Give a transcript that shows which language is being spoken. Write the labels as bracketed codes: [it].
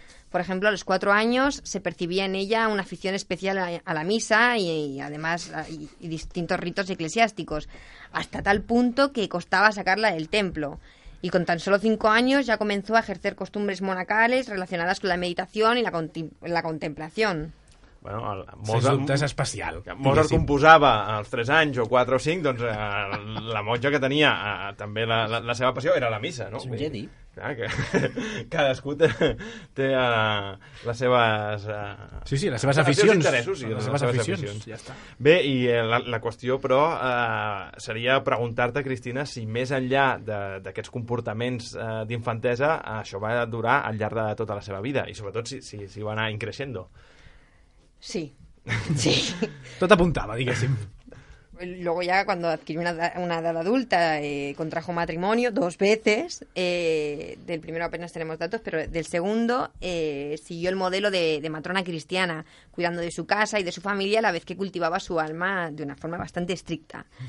[es] Por ejemplo, a los 4 años se percibía en ella una afición especial a la misa y además distintos ritos eclesiásticos, hasta tal punto que costaba sacarla del templo. Y con tan solo 5 años ya comenzó a ejercer costumbres monacales relacionadas con la meditación y la contemplación. [ca] Bueno, Mozart és especial. Mozart composava als 3 anys o 4 o 5, doncs la monja que tenia també la seva passió era la missa, no? És un geni. Clar, que cadascú té les seves... Sí, sí, les seves aficions. Les seves aficions, ja està. Bé, i la qüestió, però, seria preguntar-te, Cristina, si més enllà d'aquests comportaments d'infantesa, això va durar al llarg de tota la seva vida, i sobretot si va anar increixendo. Sí. Tot apuntava, diguéssim. [es] Luego ya cuando adquirió una edad adulta, contrajo matrimonio 2 veces, del primero apenas tenemos datos, pero del segundo siguió el modelo de matrona cristiana, cuidando de su casa y de su familia a la vez que cultivaba su alma de una forma bastante estricta.